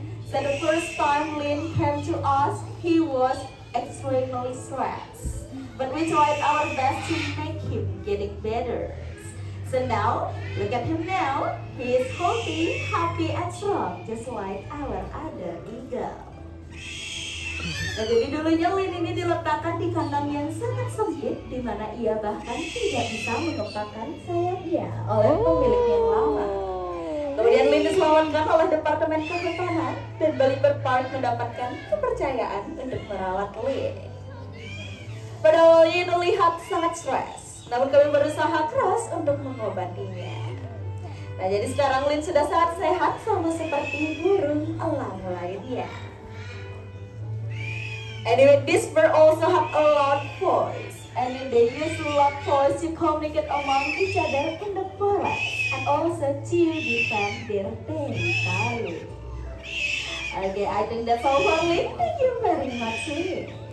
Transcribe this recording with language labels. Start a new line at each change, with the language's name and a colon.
English: So the first time Lin came to us, he was extremely stressed. But we tried our best to make him getting better. So now, look at him now. He is healthy, happy, and strong, just like our other eagle.
Indonesian: Nah, jadi dulunya Lin ini diletakkan di kandang yang sangat sempit, di mana ia bahkan tidak bisa menempatkan sayapnya oleh pemiliknya yang lama. Kemudian Lin diselamatkan oleh Departemen Kehutanan, dan Belibird Park mendapatkan kepercayaan untuk merawat Lin. Padahal Lin terlihat sangat stres, namun kami berusaha keras untuk mengobatinya. Nah, jadi sekarang Lin sudah sangat sehat, sama seperti burung elang lainnya.
English: Anyway, this bird also have a loud voice, and they use loud voice to communicate among each other in the forest, and also to defend their territory. Okay, I think that's all for Lin. Thank you very much, Lin.